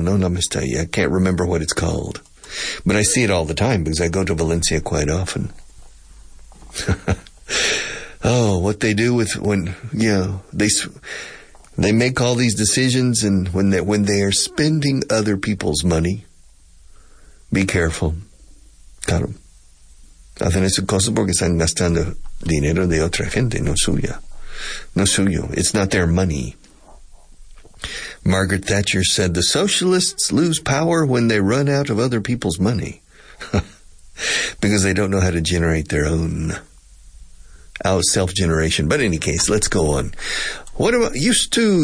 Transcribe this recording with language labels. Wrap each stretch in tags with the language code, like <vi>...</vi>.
<es>No Me Está Yendo.</es> <en>I can't remember what it's called. But I see it all the time because I go to Valencia quite often. Oh, what they do with when, you know, they make all these decisions, and when they are spending other people's money, be careful.</en> <es>Claro. Hacen esas cosas porque están gastando dinero de otra gente, no suya. No suyo.</es> <en>It's not their money. Margaret Thatcher said, the socialists lose power when they run out of other people's money. Because they don't know how to generate their own. Our self-generation. But in any case, let's go on. What am I used to?</en>